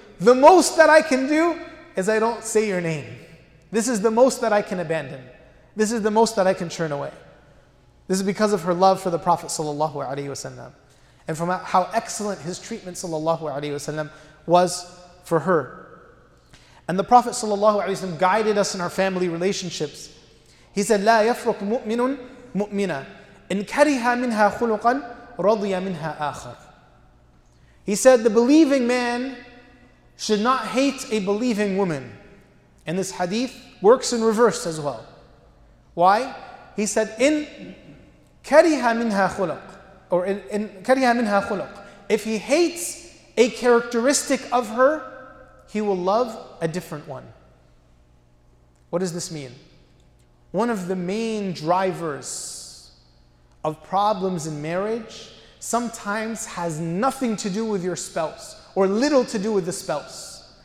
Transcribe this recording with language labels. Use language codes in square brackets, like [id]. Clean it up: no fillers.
[en] The most that I can do is I don't say your name. This is the most that I can abandon. This is the most that I can turn away. This is because of her love for the Prophet sallallahu alaihi wasallam, and from how excellent his treatment sallallahu alaihi wasallam was for her. And the Prophet sallallahu alaihi wasallam guided us in our family relationships. [ar] He said, "لا يفرق مؤمن مؤمنا إن كره منها خلقا رضي منها آخر." [en] He said, "The believing man should not hate a believing woman." And this hadith works in reverse as well. Why? He said, [ar] "إن كره منها خلق," or "إن كره منها خلق." [en] If he hates a characteristic of her, he will love a different one. What does this mean? One of the main drivers of problems in marriage sometimes has nothing to do with your spouse, or little to do with the spouse.